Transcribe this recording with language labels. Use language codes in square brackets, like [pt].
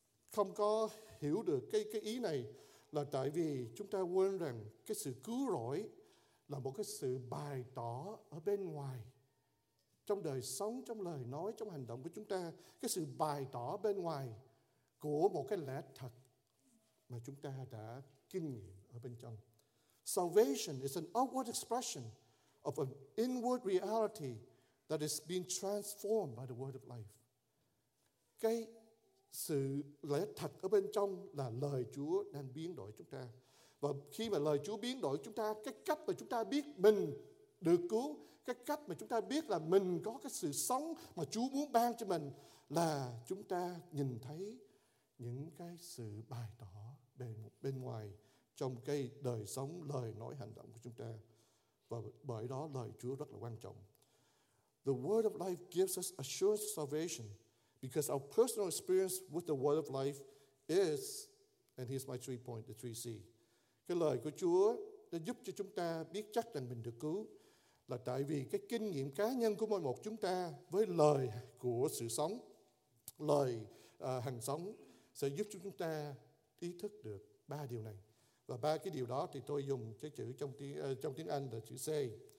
[vi] không có hiểu được cái ý này là tại vì chúng ta quên rằng cái sự cứu rỗi là một cái sự bày tỏ ở bên ngoài. Trong đời sống, trong lời nói, trong hành động của chúng ta, cái sự bày tỏ bên ngoài của một cái lẽ thật mà chúng ta đã kinh nghiệm ở bên trong. [en] Salvation is an outward expression of an inward reality that is being transformed by the word of life. [vi] Cái sự lẽ thật ở bên trong là lời Chúa đang biến đổi chúng ta. Và khi mà lời Chúa biến đổi chúng ta, cái cách mà chúng ta biết mình được cứu, cái cách mà chúng ta biết là mình có cái sự sống mà Chúa muốn ban cho mình là chúng ta nhìn thấy những cái sự bày tỏ bên ngoài trong cái đời sống, lời nói, hành động của chúng ta. Và bởi đó lời Chúa rất là quan trọng. [en] The word of life gives us assurance of salvation because our personal experience with the word of life is, and here's my three point, the three C. [vi] Cái lời của Chúa đã giúp cho chúng ta biết chắc rằng mình được cứu là tại vì cái kinh nghiệm cá nhân của mỗi một chúng ta với lời của sự sống, lời hàng sống sẽ giúp cho chúng ta ý thức được ba điều này. Và ba cái điều đó thì tôi dùng cái chữ trong tiếng Anh là chữ C.